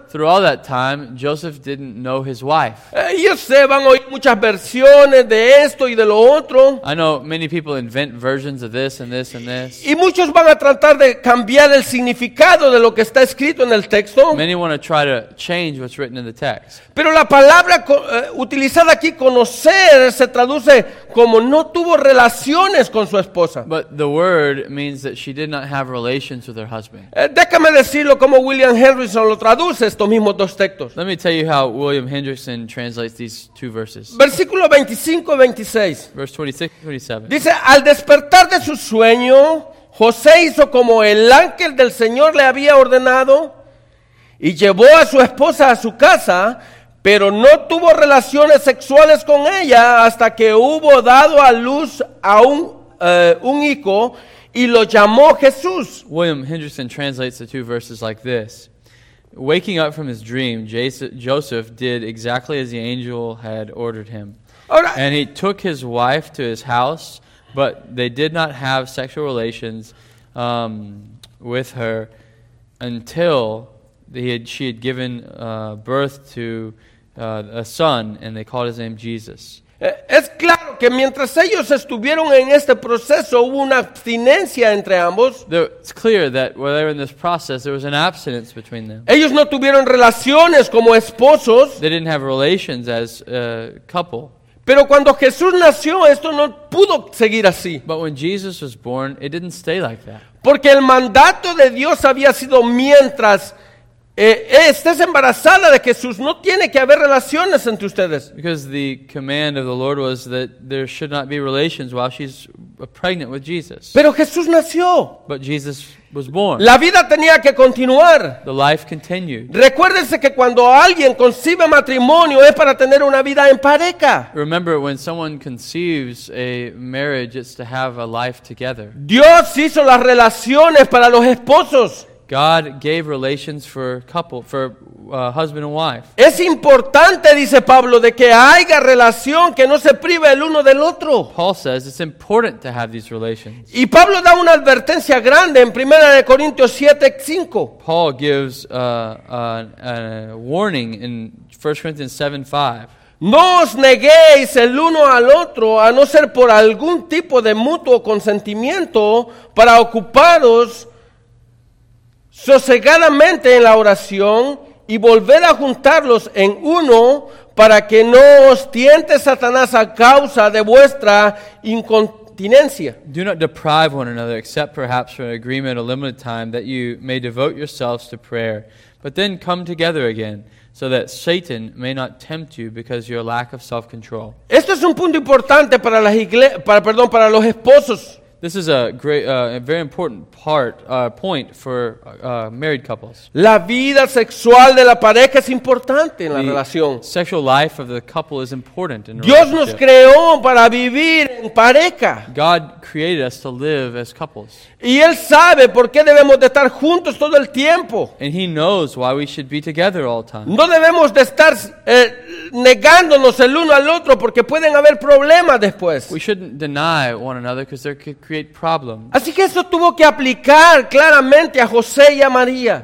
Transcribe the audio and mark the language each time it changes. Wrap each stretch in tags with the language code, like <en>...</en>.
<en>Through all that time, Joseph didn't know his wife.</en> <es>Yo sé, van a oír muchas versiones de esto y de lo otro.</es> <en>I know many people invent versions of this and this and this.</en> <es>Y muchos van a tratar de cambiar el significado de lo que está escrito en el texto.</es> <en>Many want to try to change what's written in the text.</en> <es>Pero la palabra utilizada aquí, conocer, se traduce como no tuvo relaciones con su esposa.</es> <en>But the word means that she did not have relations with her husband.</en> <es>Déjame decirlo como William Henderson lo traduce. Estos mismos dos textos.</es> <en>Let me tell you how William Hendrickson translates these two verses.</en> <es>Versículo 25-26.</es> <en>Verse 26-27.</en> <es>Dice, al despertar de su sueño, José hizo como el ángel del Señor le había ordenado y llevó a su esposa a su casa, pero no tuvo relaciones sexuales con ella hasta que hubo dado a luz a un hijo y lo llamó Jesús.</es> <en>William Henderson translates the two verses like this. Waking up from his dream, Joseph did exactly as the angel had ordered him. Right. And he took his wife to his house, but they did not have sexual relations with her until she had given birth to a son, and they called his name Jesus.</en> <es>Es claro que mientras ellos estuvieron en este proceso, hubo una abstinencia entre ambos.</es> <en>It's clear that while they were in this process, there was an abstinence between them.</en> <es>Ellos no tuvieron relaciones como esposos.</es> <en>They didn't have relations as a couple.</en> <es>Pero cuando Jesús nació, esto no pudo seguir así.</es> <en>But when Jesus was born, it didn't stay like that.</en> <es>Porque el mandato de Dios había sido mientras estés embarazada de Jesús, no tiene que haber relaciones entre ustedes.</es> <en>Because the command of the Lord was that there should not be relations while she's pregnant with Jesus.</en> <es>Pero Jesús nació.</es> <en>But Jesus was born.</en> <es>La vida tenía que continuar.</es> <en>The life continued.</en> <es>Recuérdense que cuando alguien concibe matrimonio es para tener una vida en pareja.</es> <en>Remember, when someone conceives a marriage, it's to have a life together.</en> <es>Dios hizo las relaciones para los esposos.</es> <en>God gave relations for couple, for husband and wife.</en> <es>Es importante, dice Pablo, de que haya relación, que no se prive el uno del otro.</es> <en>Paul says it's important to have these relations.</en> <es>Y Pablo da una advertencia grande en Primera de Corintios 7:5.</es> <en>Paul gives a warning in 1 Corinthians 7:5.</en> <es>No os neguéis el uno al otro, a no ser por algún tipo de mutuo consentimiento para ocuparos sosegadamente en la oración y volver a juntarlos en uno para que no os tiente Satanás a causa de vuestra incontinencia.</es> <en>Do not deprive one another, except perhaps for an agreement a limited time, that you may devote yourselves to prayer. But then come together again, so that Satan may not tempt you because of your lack of self-control.</en> <es>Esto es un punto importante para las para los esposos.</es> <en>This is a great, a very important part, point for married couples.</en> <es>La vida sexual de la pareja es importante en la relación.</es> <en>The sexual life of the couple is important in</en> <es>Dios nos creó para vivir en pareja.</es> <en>God created us to live as couples.</en> <es>Y Él sabe por qué debemos de estar juntos todo el tiempo.</es> <en>And He knows why we should be together all the time.</en> <es>No debemos de estar negándonos el uno al otro porque pueden haber problemas después.</es> <en>We shouldn't deny one another because there could create problems.</en> <es>Así que esto tuvo que aplicar claramente a José y a María.</es>